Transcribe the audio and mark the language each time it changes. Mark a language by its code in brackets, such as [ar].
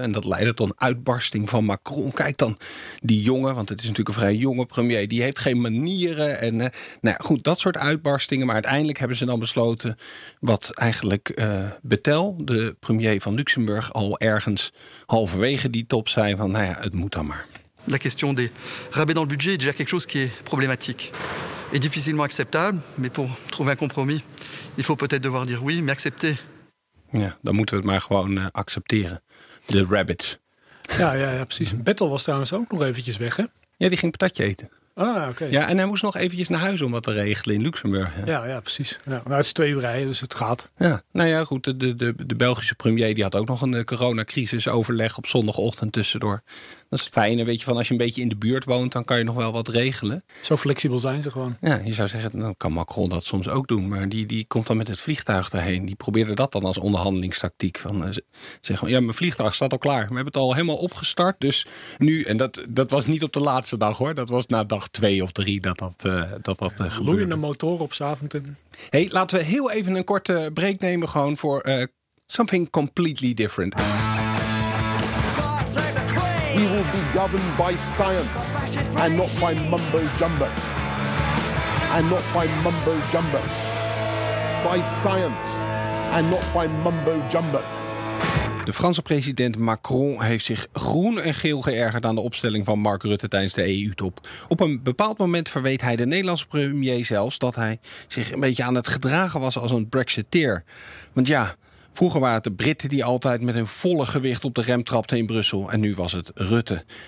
[nl] En dat leidde tot een uitbarsting van Macron. Kijk dan, die jongen, want het is natuurlijk een vrij jonge premier, die heeft geen manieren. En nou ja, goed, dat soort uitbarstingen. Maar uiteindelijk hebben ze dan besloten wat eigenlijk Bettel, de premier van Luxemburg, al ergens halverwege die top zei van, nou ja, het moet dan maar. [fr] La question des rabais dans le budget est déjà quelque chose qui est problématique et difficilement acceptable. Mais pour trouver un compromis, il faut peut-être devoir dire oui, mais accepter. [nl] Ja, dan moeten we het maar gewoon accepteren. De rabbits. Ja, precies. Bettel was trouwens ook nog eventjes weg, hè? Ja, die ging patatje eten. Ah, oké. Okay. Ja, en hij moest nog eventjes naar huis om wat te regelen in Luxemburg. Ja, ja, precies. Ja, maar het is 2 uur rijden, dus het gaat. Ja, nou ja, goed. De Belgische premier die had ook nog een coronacrisis overleg op zondagochtend tussendoor. Dat is het fijne, weet je, van als je een beetje in de buurt woont, dan kan je nog wel wat regelen. Zo flexibel zijn ze gewoon. Ja, je zou zeggen, dan kan Macron dat soms ook doen. Maar die komt dan met het vliegtuig daarheen. Die probeerde dat dan als onderhandelingstactiek. Van zeggen, ja, mijn vliegtuig staat al klaar. We hebben het al helemaal opgestart. Dus nu, en dat was niet op de laatste dag, hoor. Dat was na dag 2 of 3 dat gebeurde. Loeiende motoren op 's avond. Hey, laten we heel even een korte break nemen. Gewoon voor [en] something completely different. He will be governed by science and not by mumbo jumbo. And not by mumbo jumbo. By science and not by mumbo jumbo. [nl] De Franse president Macron heeft zich groen en geel geërgerd aan de opstelling van Mark Rutte tijdens de EU-top. Op een bepaald moment verweet hij de Nederlandse premier zelfs dat hij zich een beetje aan het gedragen was als een Brexiteer. Want ja, vroeger waren het de Britten die altijd met hun volle gewicht op de rem trapten in Brussel en nu was het Rutte.